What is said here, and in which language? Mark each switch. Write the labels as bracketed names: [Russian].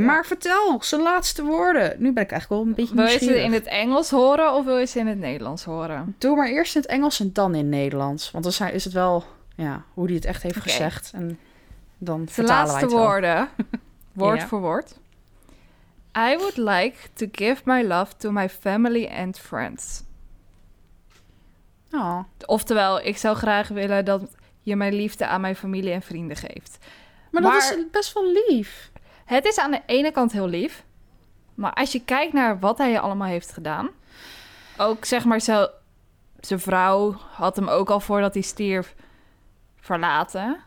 [Dutch] Maar vertel, zijn laatste woorden. Nu ben ik eigenlijk wel een beetje nieuwsgierig. Wil je ze in het Engels horen of wil je ze in het Nederlands horen? Doe maar eerst in het Engels en dan in het Nederlands. Want dan is het wel ja, hoe hij het echt heeft gezegd. En dan zijn laatste woorden, woord voor woord. [English] I would like to give my love to my family and friends. [Dutch] Oh. Oftewel, ik zou graag willen dat je mijn liefde aan mijn familie en vrienden geeft. Maar dat is best wel lief. Het is aan de ene kant heel lief. Maar als je kijkt naar wat hij allemaal heeft gedaan. Ook zeg maar zijn vrouw had hem ook al voordat hij stierf verlaten.